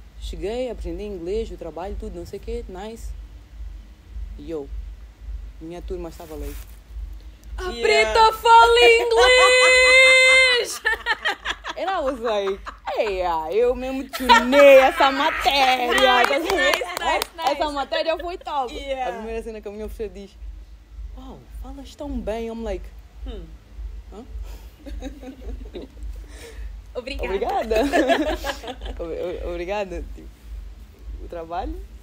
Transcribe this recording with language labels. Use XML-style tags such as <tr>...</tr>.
<pt>Cheguei, apresentei inglês, o trabalho, tudo, não sei o quê, nice. E eu, minha turma estava ali. A preta fala inglês!</pt> <en>And I was like, hey, eu mesmo tunei essa matéria. Nice.</en> <pt>Essa matéria foi top.</pt> <en>Yeah.</en> <pt>A primeira cena que a minha professora diz, wow, falas tão bem.</pt> <en>I'm like,</en> <pt>Obrigada. Obrigada. Tipo, o trabalho?</pt>